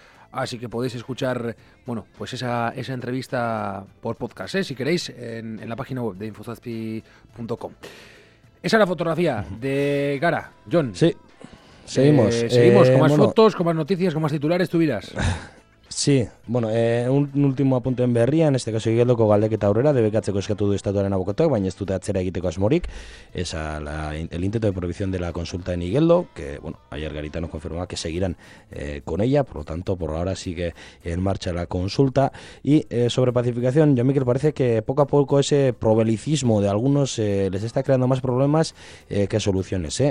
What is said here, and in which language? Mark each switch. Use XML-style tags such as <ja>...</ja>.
<es>Así que podéis escuchar, bueno, pues esa entrevista por podcast, si queréis, en la página web de infozazpi.com. Esa es la fotografía de Gara. John. Sí, seguimos. Seguimos con más fotos, con más noticias, con más titulares, tú dirás. Sí, bueno, un último apunte en Berria, en este caso</es> <eu>Igeldoko galdeketa aurrera, debekatzeko eskatu du estatuaren abokatuak, baina ez dute atzera egiteko asmorik.</eu> <es>Esa el intento de prohibición de la consulta en Igeldo, que bueno, ayer Garitano confirmaba que seguirán con ella, por lo tanto, por ahora sigue en marcha la consulta. Y sobre pacificación, yo Mikel, parece que poco a poco ese probelicismo de algunos les está creando más problemas que soluciones.</es>